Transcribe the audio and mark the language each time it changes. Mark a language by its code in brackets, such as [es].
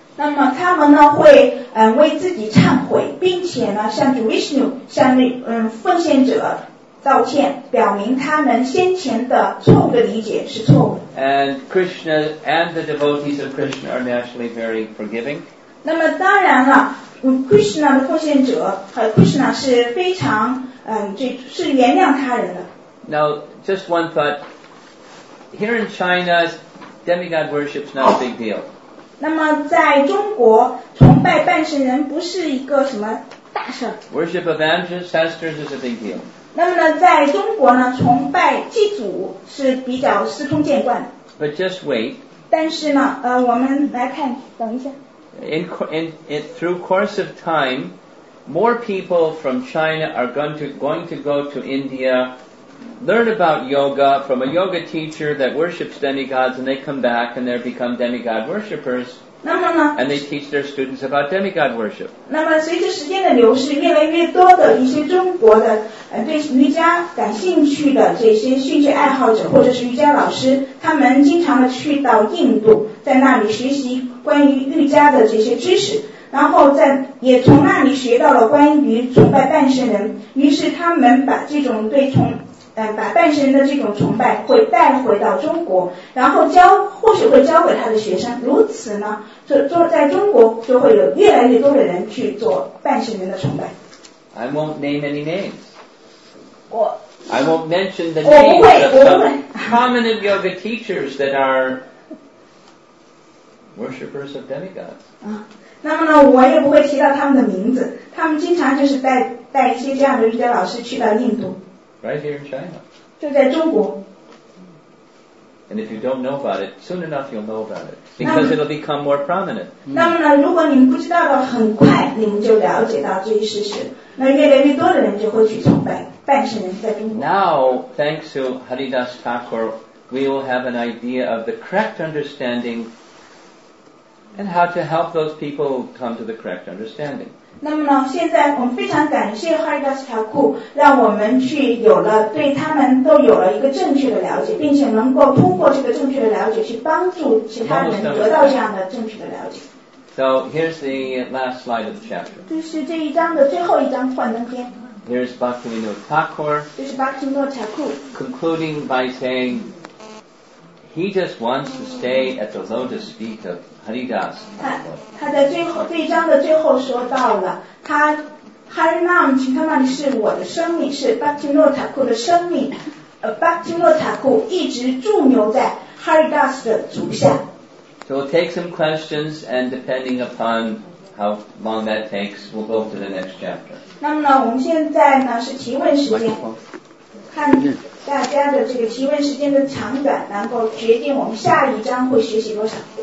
[zh] 那么他们呢会为自己忏悔并且呢向主 Vishnu 向奉献者道歉表明他们先前的错误的理解是错误的 [en] and Krishna and the devotees of Krishna are naturally very forgiving [zh] 那么当然了 Krishna 的奉献者和 Krishna 是非常是原谅他人的 [en] now just one thought here in China demigod worship is not a big deal [zh] 那么在中国崇拜半神人不是一个什么大事 [en] worship of ancestors is a big deal [zh] 那么呢在中国呢崇拜祭祖是比较司空见惯的 [en] But just wait [zh] 但是呢我们来看等一下 [en] Through course of time more people from China are going to go to India learn about yoga from a yoga teacher that worships demigods and they come back and they become demigod worshippers [zh] 那么呢 [en] and they teach their students about demigod worship [zh] 那么随着时间的流逝越来越多的一些中国的对瑜伽感兴趣的这些兴趣爱好者或者是瑜伽老师他们经常的去到印度在那里学习关于瑜伽的这些知识然后在也从那里学到了关于崇拜半身人于是他们把这种对崇把半神的这种崇拜会带回到中国然后或许会教给他的学生如此呢就在中国就会有越来越多的人去做半神人的崇拜 [en] I won't name any names [zh] 我 [en] I won't mention the names of some prominent yoga teachers that are worshippers of demigods [zh] 那么呢我也不会提到他们的名字他们经常就是 带一些这样的瑜伽老师去到印度 [en] Right here in China. [zh] 就在中国。 [en] And if you don't know about it, soon enough you'll know about it. Because it'll become more prominent. [zh] 那么呢如果你们不知道的很快你们就了解到这一事实。那越来越多的人就会去崇拜半圣人在中国。 [en] Now, thanks to Haridas Thakur, we will have an idea of the correct understanding and how to help those people come to the correct understanding. [zh] 那么呢，现在我们非常感谢哈利达斯塔库，让我们去有了对他们都有了一个正确的了解，并且能够通过这个正确的了解去帮助其他人得到这样的正确的了解。 [en] So here's the last slide of the chapter. [zh] 这是这一章的最后一章幻灯片。 [en] Here's Bhaktivinoda Thakur. [zh] 这是 Bhaktivinoda Thakur. [en] Concluding by saying, he just wants to stay at the lotus feet of. Haridas. [zh] 他在最后这一章的最后说到了，他 Harinam Chintamani 是我的生命，是 Bhaktivinoda Thakur 的生命。 Bhaktivinoda Thakur 一直驻留在 Haridas 的足下。 [en] So we'll take some questions, and depending upon how long that takes, we'll go to the next chapter. [zh] 那么呢，我们现在呢是提问时间，看大家的这个提问时间的长短，能够决定我们下一章会学习多少。